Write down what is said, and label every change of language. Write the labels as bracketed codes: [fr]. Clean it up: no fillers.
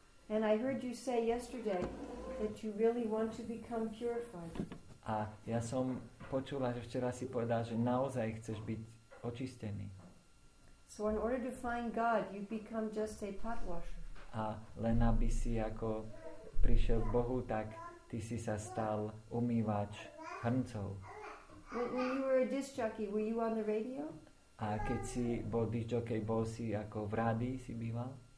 [en] And I heard you say yesterday that you really want to become purified. [sk] A ja som počula, že včera si povedal, že naozaj chceš byť očistený. [en] So in order to find God, you become just a pot washer. [sk] A len aby si ako prišiel k Bohu, tak ty si sa stal umývač hrncov. [en] When you were a disc jockey, were you on the radio? [sk] A keď si bol disc jockey, bol si ako v rádii, si býval?